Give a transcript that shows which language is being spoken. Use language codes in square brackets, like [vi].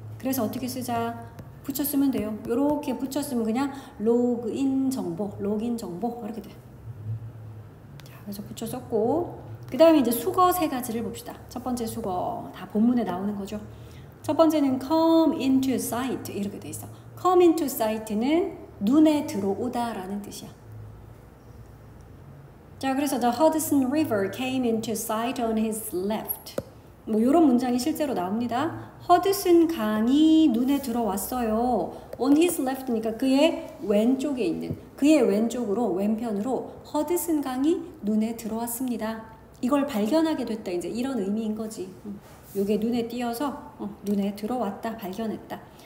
[ko] 그래서 어떻게 쓰자? 붙여 쓰면 돼요. 요렇게 붙여 쓰면 그냥 로그인 정보, 로그인 정보 이렇게 돼. 자, 그래서 붙여 썼고, 그다음에 이제 수거 세 가지를 봅시다. 첫 번째 수거 다 본문에 나오는 거죠. 첫 번째는 [en] come into sight [ko] 이렇게 돼 있어. [en] come into sight [ko] 는 눈에 들어오다라는 뜻이야. [en] 자, 그래서 the Hudson River came into sight on his left. [ko] 뭐 요런 문장이 실제로 나옵니다. 허드슨 강이 눈에 들어왔어요. [en] On his left [ko] 니까 그의 왼쪽에 있는, 그의 왼쪽으로, 왼편으로 허드슨 강이 눈에 들어왔습니다. 이걸 발견하게 됐다. 이제 이런 의미인 거지. 요게 눈에 띄어서 눈에 들어왔다. 발견했다.